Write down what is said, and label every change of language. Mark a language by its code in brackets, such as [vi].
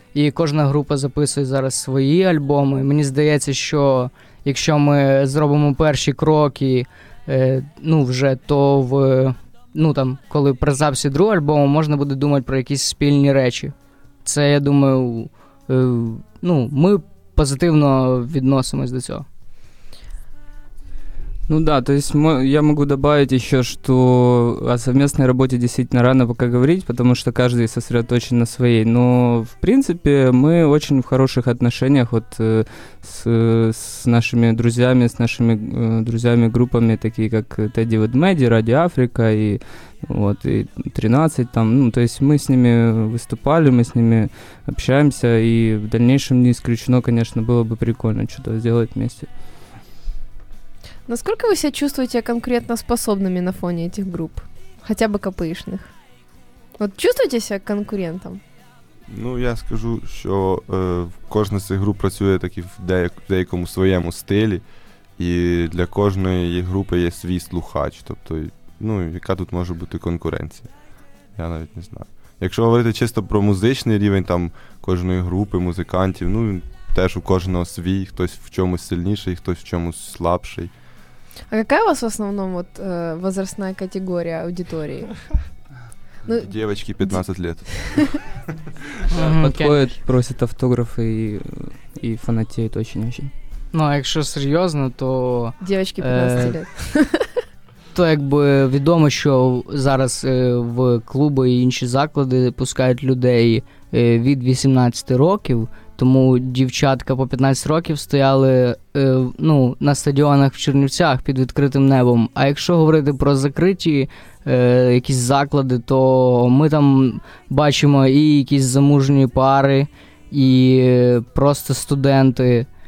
[uk] І кожна група записує зараз свої альбоми. Мені здається, що якщо ми зробимо перші кроки, ну, вже, то в, ну, там, коли при записі другого альбому, можна буде думати про якісь спільні речі. Це, я думаю, ну, ми позитивно відносимось до цього. [ru] Ну да, то есть я могу добавить еще, что о совместной работе действительно рано пока говорить, потому что каждый сосредоточен на своей, но в принципе мы очень в хороших отношениях вот с нашими друзьями, с нашими друзьями-группами, такие как Teddy Ведмеди, Radio Africa и вот, и 13 там, ну то есть мы с ними выступали, мы с ними общаемся, и в дальнейшем не исключено, конечно, было бы прикольно что-то сделать вместе. Насколько вы себя чувствуете конкретно способными на фоне этих групп? Хотя бы копеечных. Вот чувствуете себя конкурентом? [uk] Ну, я скажу, що кожна з цих груп працює таки в деякому своєму стилі, і для кожної групи є свій слухач. Тобто, ну, яка тут може бути конкуренція? Я навіть не знаю. Якщо говорити чисто про музичний рівень там кожної групи, музикантів, ну, теж у кожного свій, хтось в чомусь сильніший, хтось в чомусь слабший. [ru] А какая у вас в основном вот возрастная категория аудитории? Ну, девочки 15 лет. Подходят, просят автографы и фанатеют очень-очень. Ну, а если серьезно, то... Девочки 15 лет. То, как бы, известно, что сейчас в клубы и другие заклады пускают людей от 18 лет. [uk] Тому дівчатка по 15 років стояли ну, на стадіонах в Чернівцях під відкритим небом. А якщо говорити про закриті якісь заклади, то ми там бачимо і якісь замужні пари, і просто студенти.